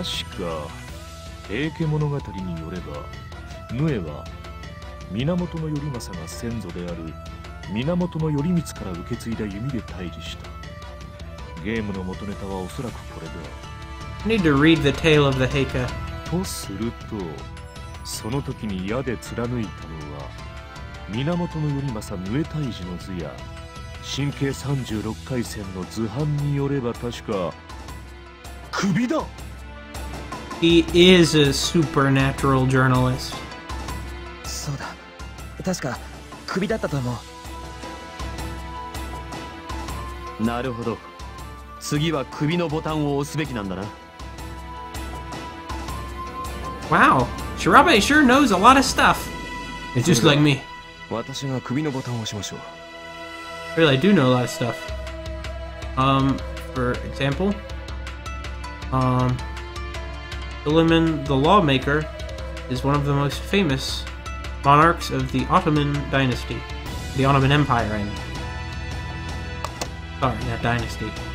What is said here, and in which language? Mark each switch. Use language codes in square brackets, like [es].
[ja] 確か、平家物語によれば、ヌエは源頼政が先祖である源頼光から受け継いだ弓で対峙した。ゲームの元ネタはおそらくこれだ。 [en] I need to read the tale of the Heika. [ja] とすると、その時に矢で貫いたのは源頼政ヌエ対峙の図や神経36回線の図版によれば確か、 [en] He is a supernatural journalist. [ja] そうだ。確か首だったと思う。なるほど。次は首のボタンを押すべきなんだな。 [en] Wow, Shirabe sure knows a lot of stuff. It's just like me. [ja] 私が首のボタンを押しましょう。 [en] Really, I do know a lot of stuff. For example. Suleiman the Lawmaker is one of the most famous monarchs of the Ottoman dynasty. The Ottoman Empire, I mean. Sorry, that dynasty.